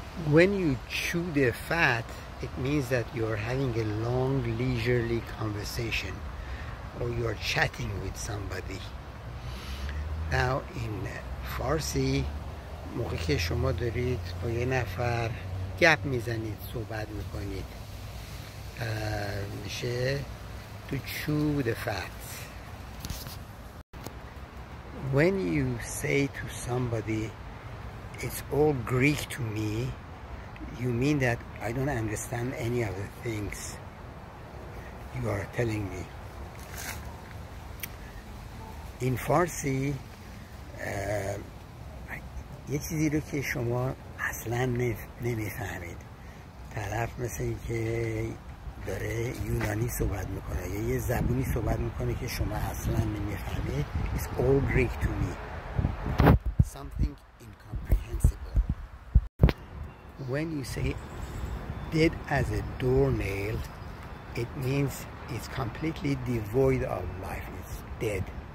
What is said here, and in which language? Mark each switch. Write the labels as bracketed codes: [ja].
[en] When you chew the fat, it means that you're having a long, leisurely conversation or you're chatting with somebody. Now, in Farsi, [fa] موقعی که شما دارید با یه نفر گپ میزنید، صحبت میکنید، میشه [en] to chew the fat. When you say to somebody, it's all Greek to me, you mean that I don't understand any of the things you are telling me. In Farsi, [fa] یه چیزی رو که شما اصلا نمیفهمید، طرف مثل این که داره یونانی صحبت میکنه یا یه زبونی صحبت میکنه که شما اصلا نمیفهمید، [en] It's all Greek to me. Something incomprehensible. When you say dead as a doornail, it means it's completely devoid of life. It's dead.